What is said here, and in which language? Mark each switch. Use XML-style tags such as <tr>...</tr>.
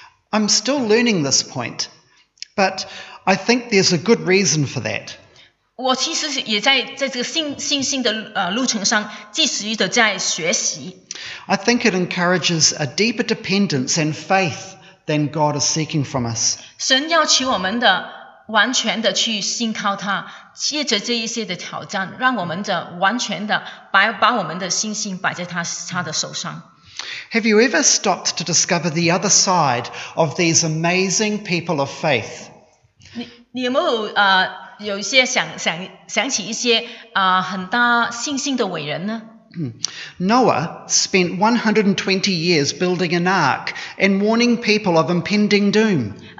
<en>I'm still learning this point, but I think there's a good reason for that.</en> <zh>我其实也在这个信心的路程上继续的在学习。</zh> <en>I think it encourages a deeper dependence and faith than God is seeking from us.</en> <zh>神要求我们的完全的去信靠他。借着这一些的挑战，让我们的完全的把我们的信心摆在他的手上。</zh> <en>Have you ever stopped to discover the other side of these amazing people of faith?</en> <zh>你有没有想起一些很大信心的伟人呢？</zh> <en>Noah spent 120 years building an ark and warning people of impending doom.</en>